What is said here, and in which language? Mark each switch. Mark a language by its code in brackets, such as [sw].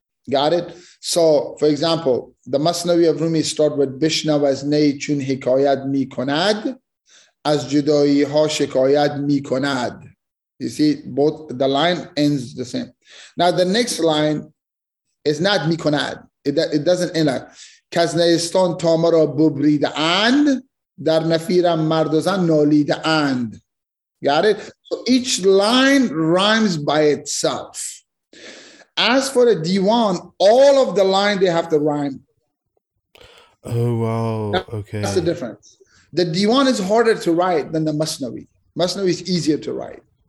[en] Got it? So, for example, the masnavi of Rumi start with [fa] Bishnawaz nay chun hikayat mi konad, از جدایی ها شکایت می کند. [en] You see, both the line ends the same. Now the next line is not [fa] می کند. [en] It doesn't end like [fa] کس نیستان تا مرا ببریده اند در نفیرم مرد و زن نالیده اند. [en] Got it? So each line rhymes by itself. As for the Diwan, all of the line, they have to rhyme. Oh, wow. Okay. That's the difference. The Diwan is harder to write than the Masnavi. Masnavi is easier to write.